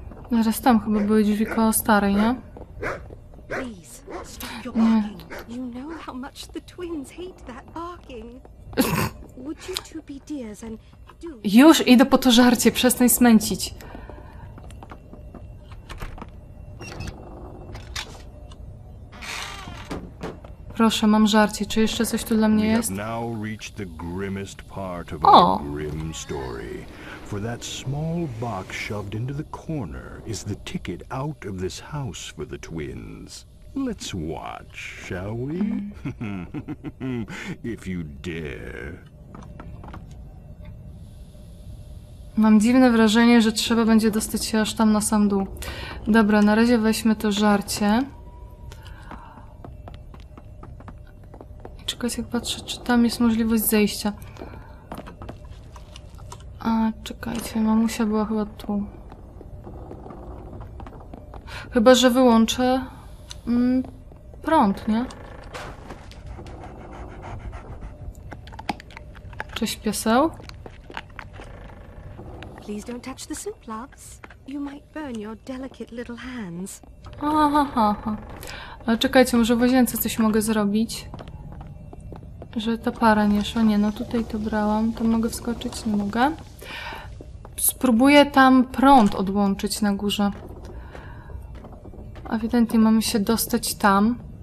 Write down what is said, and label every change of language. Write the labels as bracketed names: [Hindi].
[Polish] Zaraz tam chyba były drzwi koło starej, nie? [English] Please, stop your barking. You know how much the twins hate that barking. Would you two be dears and do... [Polish] Już idę po to żarcie, przestań smęcić. Proszę, mam żarcie. Czy jeszcze coś tu dla mnie jest? [English] We have now reached the grimmest part of our grim story. For that small box shoved into the corner is the ticket out of this house for the twins. Let's watch, shall we? If you dare. [Polish] Mam dziwne wrażenie, że trzeba będzie dostać się aż tam na sam dół. Dobra, na razie weźmy to żarcie. Czekać, jak patrzę, czy tam jest możliwość zejścia. A, czekajcie, mamusia była chyba tu. Chyba, że wyłączę prąd, nie? Cześć, pioseł. [English] Please don't touch the soup, loves. You might burn your delicate little hands. Aha, ha, ha. [Polish] Ale czekajcie, może w łazience coś mogę zrobić? Że ta para nie szła. Nie, no tutaj to brałam. Tam mogę wskoczyć? Nie mogę. Spróbuję tam prąd odłączyć na górze. Ewidentnie mamy się dostać tam.